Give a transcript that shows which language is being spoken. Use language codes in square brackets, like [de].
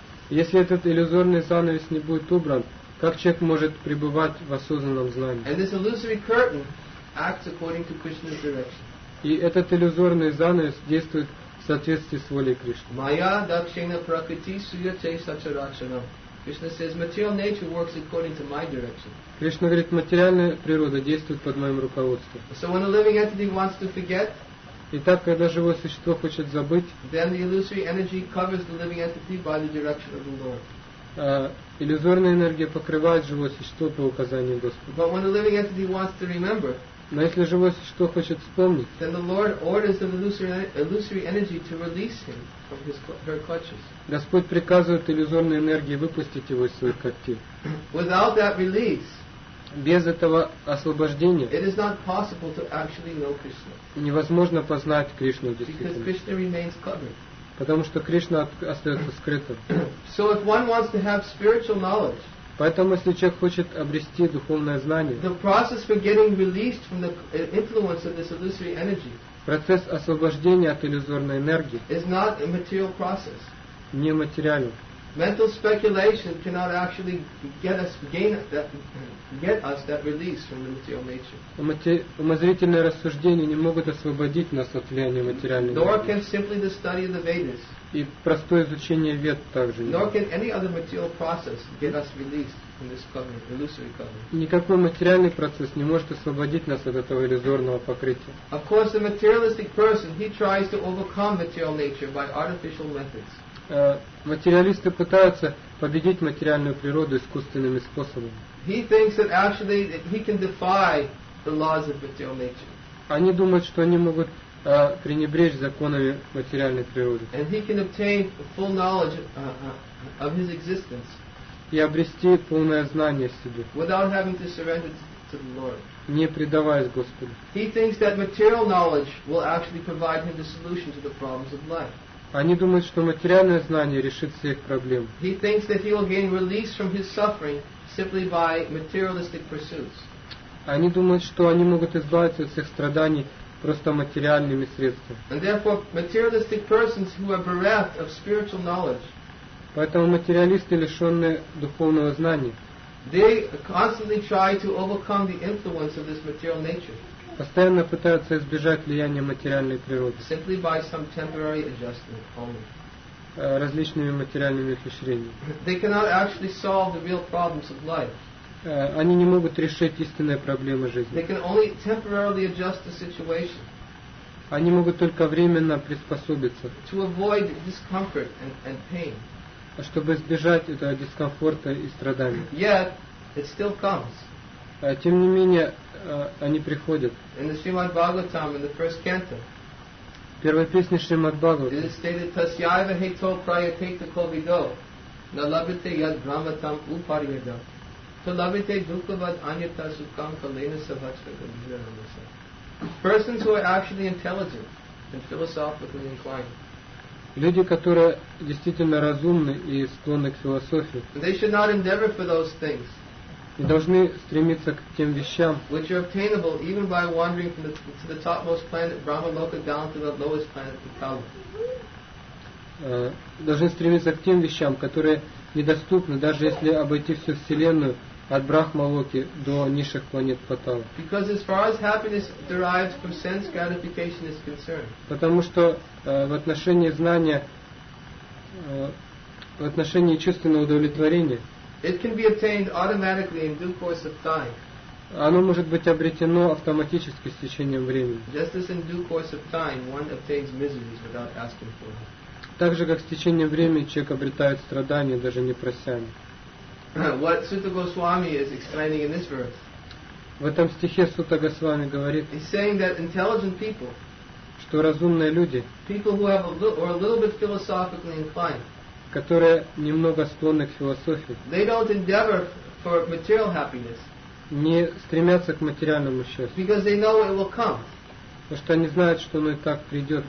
[ru] Если этот иллюзорный занавес не будет убран, как человек может пребывать в осознанном знании? [en] And this illusory curtain acts according to Krishna's direction. [ru] И этот иллюзорный занавес действует в соответствии с волей Кришны. [sa] Maya dakshina prakriti suyate sacharacharam. [en] Krishna says material nature works according to my direction. [ru] Кришна говорит, материальная природа действует под моим руководством. [en] So when a living entity wants to forget, [ru] итак, когда живое существо хочет забыть, [en] then the illusory energy covers the living entity by the direction of the Lord. [ru] Иллюзорная энергия покрывает живое существо по указанию Господа. [en] But when a living entity wants to remember. [ru] Но если живое существо хочет вспомнить, [en] then the Lord orders the illusory energy to release him from her clutches. [ru] Господь приказывает иллюзорной энергии выпустить его из своих когтей. [en] Without that release, [ru] без этого освобождения, [en] it is not possible to actually know Krishna. [ru] Невозможно познать Кришну действительно. [en] Because Krishna remains covered. [ru] Потому что Кришна остается скрытым. [en] So if one wants to have spiritual knowledge, [ru] Поэтому, если человек хочет обрести духовное знание, [en] the process for getting released from the influence of this illusory energy, [ru] процесс освобождения от иллюзорной энергии, [en] is not a material process. [ru] Не материален. [en] Mental speculation cannot actually get us that release from the material nature. [ru] Умозрительные рассуждения не могут освободить нас от влияния материальной энергии. [en] Nor can simply the study of the Vedas. [ru] И простое изучение Вед также. [en] Nor can any other material process get us released from this covenant, illusory covenant. [ru] Никакой материальный процесс не может освободить нас от этого иллюзорного покрытия. [en] Of course, the materialistic person, he tries to overcome material nature by artificial methods. [ru] Материалисты пытаются победить материальную природу искусственными способами. [en] He thinks that actually he can defy the laws of material nature. [ru] Они думают, что они могут пренебречь законами материальной природы. [en] And he can obtain full knowledge of his existence. [ru] И обрести полное знание о себе. [en] Without having to surrender to the Lord. [ru] Не предаваясь Господу. [en] He thinks that material knowledge will actually provide him the solution to the problems of life. [ru] Они думают, что материальное знание решит все их проблемы. [en] He thinks that he will gain release from his suffering simply by materialistic pursuits. [ru] Они думают, что они могут избавиться от всех страданий просто материальными средствами. [en] And therefore, materialistic persons who are bereft of spiritual knowledge, [ru] поэтому материалисты, лишенные духовного знания, [en] they constantly try to overcome the influence of this material nature. [ru] Постоянно пытаются избежать влияния материальной природы. [en] Simply by some temporary adjustment only. [ru] Различными материальными ухищрениями. [en] They cannot actually solve the real problems of life. [ru] Они не могут решить истинные проблемы жизни. [en] They can only temporarily adjust the situation. [ru] Они могут только временно приспособиться. [en] To avoid discomfort and pain. [ru] Чтобы избежать этого дискомфорта и страданий. [en] Yet, it still comes. [ru] Тем не менее, они приходят. [en] In the Srimad Bhagavatam, in the first canto, [ru] первой песне Шримад Бхагаватам, [en] it is stated, [sa] Tasyaiva heto prayateta kovido, nalabhate yad brahmatam upariyadam, talabhate dukkavad anyata sukham kalena savachvagamidharamasa. [en] Persons who are actually intelligent and philosophically inclined, [ru] люди, которые действительно разумны и склонны к философии, [en] they should not endeavor for those things, [ru] и должны стремиться к тем вещам, [en] which are obtainable even by wandering from to the topmost planet Brahma Loka down to the lowest planet Kali. [ru] Должны стремиться к тем вещам, которые недоступны, даже если обойти всю вселенную от Брахма Локи до низших планет Патала. [en] Because as far as happiness derives from sense gratification is concerned. [ru] Потому что в отношении знания, в отношении чувственного удовлетворения. [en] It can be obtained automatically in due course of time. [ru] Оно может быть обретено автоматически с течением времени. [en] Just as in due course of time, one obtains miseries without asking for them. [ru] Так же, как с течением времени человек обретает страдания, даже не прося. [en] What Sutta Goswami is explaining in this verse. [ru] В этом стихе Сутта Госвами говорит. [en] He's saying that intelligent people. [ru] Что разумные люди. [en] People who have are a little bit philosophically inclined. [ru] Которые немного склонны к философии. [en] They don't endeavor for material happiness. [ru] Не стремятся к материальному счастью. [en] Because they know it will come. [ru] Потому что они знают, что оно и так придет.